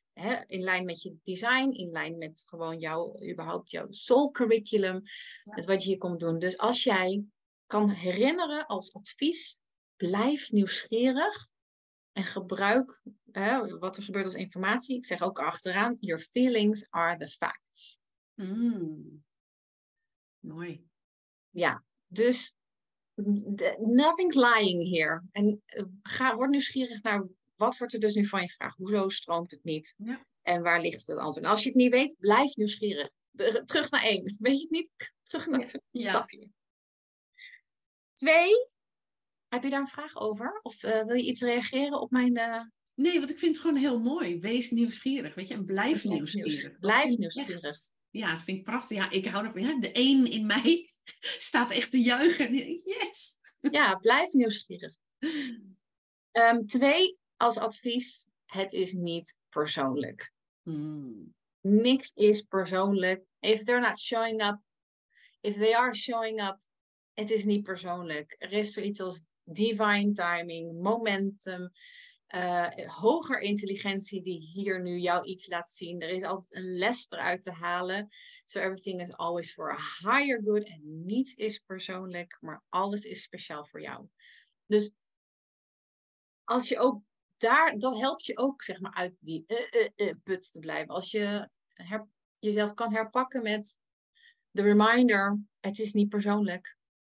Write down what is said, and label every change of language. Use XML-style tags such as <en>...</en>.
<nl>He, in lijn met je design, in lijn met gewoon jouw soul curriculum, ja, met wat je hier komt doen. Dus als jij kan herinneren als advies, blijf nieuwsgierig en gebruik wat er gebeurt als informatie. Ik zeg ook achteraan, your feelings are the facts. Mooi. Ja, dus nothing's lying here. En word nieuwsgierig naar... Wat wordt er dus nu van je vraag? Hoezo stroomt het niet? Ja. En waar ligt het antwoord? Als je het niet weet, blijf nieuwsgierig. Terug naar 1. Weet je het niet? Terug naar 1. Ja. Stapje. 2. Heb je daar een vraag over? Of wil je iets reageren op mijn... Nee, want ik vind het gewoon heel mooi. Wees nieuwsgierig, weet je? En blijf nieuwsgierig. Blijf nieuwsgierig. Echt, ja, dat vind ik prachtig. Ja, ik hou ervan. Ja, de 1 in mij staat echt te juichen.</nl> <en>Yes!</en> <nl>Ja, blijf nieuwsgierig. 2. Als advies, het is niet persoonlijk. Niks is persoonlijk. If they're not showing up, if they are showing up, het is niet persoonlijk. Er is zoiets als divine timing, momentum, hoger intelligentie die hier nu jou iets laat zien. Er is altijd een les eruit te halen.</nl> <en>So everything is always for a higher good.</en> <nl>En niets is persoonlijk, maar alles is speciaal voor jou. Dus als je ook daar, dat helpt je ook, zeg maar, uit die put te blijven. Als je jezelf kan herpakken met de reminder, het is niet persoonlijk.</nl>